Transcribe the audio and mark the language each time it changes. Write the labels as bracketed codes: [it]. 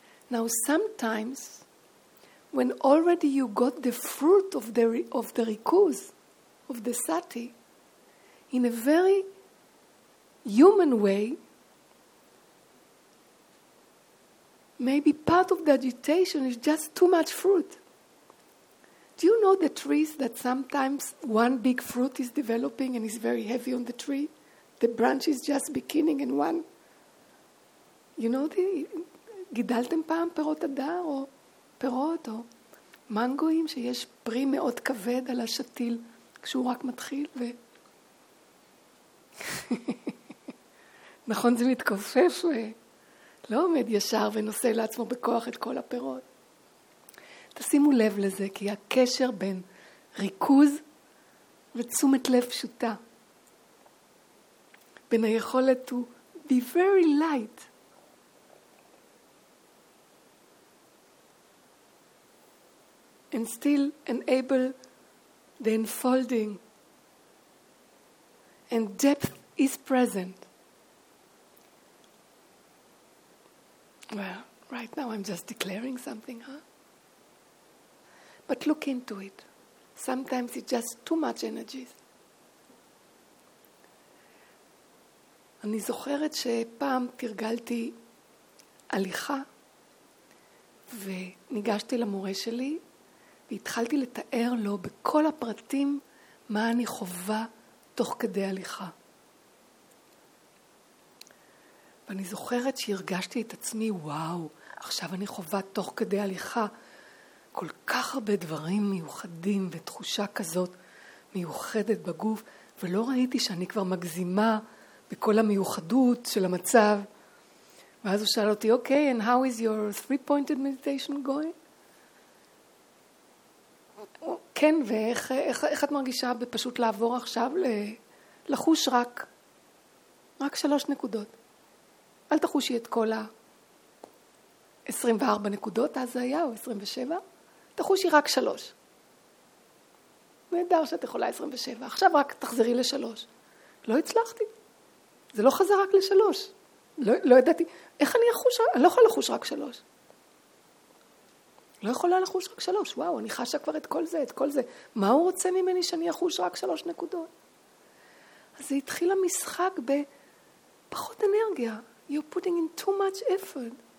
[en] Now sometimes, when already you got the fruit of the rikuz, of the sati, in a very human way, maybe part of the agitation is just too much fruit. Do you know the trees that sometimes one big fruit is developing and is very heavy on the tree? The branch is just beginning and one... You know the... [he] גידלתם פעם פירות הדר או פירות או מנגויים שיש פרי מאוד כבד על השתיל כשהוא רק מתחיל ו... נכון זה מתכופף ו... לא עומד ישר ונושא לעצמו בכוח את כל הפירות. תשימו לב לזה, כי הקשר בין ריכוז ותשומת לב פשוטה, בין היכולת [en] to be very light, and still enable the unfolding, and depth is present. Well, right now I'm just declaring something, huh? But look into it. Sometimes it's just too much energy. [he] אני זוכרת שפעם תרגלתי הליכה וניגשתי למורה שלי והתחלתי לתאר לו בכל הפרטים מה אני חווה תוך כדי הליכה. ואני זוכרת שהרגשתי את עצמי, וואו, עכשיו אני חווה תוך כדי הליכה כל כך הרבה דברים מיוחדים ותחושה כזאת מיוחדת בגוף, ולא ראיתי שאני כבר מגזימה בכל המיוחדות של המצב. ואז הוא שאל אותי, אוקיי, [en] and how is your three-pointed meditation going? [he] כן, ואיך את מרגישה בפשוט לעבור עכשיו לחוש רק 3 נקודות? אל תחושי את כל ה-24 נקודות, אז זה היה, או 27. תחושי רק 3. נהדר שאת יכולה 27. עכשיו רק תחזרי ל-3. לא הצלחתי. זה לא חזר רק ל-3. לא, לא ידעתי, איך אני אחוש? אני לא יכולה לחוש רק שלוש. לא יכולה לחוש רק שלוש. וואו, אני חשה כבר את כל זה, את כל זה. מה הוא רוצה ממני שאני אחוש רק שלוש נקודות? אז זה התחיל המשחק בפחות אנרגיה. [en] You're putting in too much effort.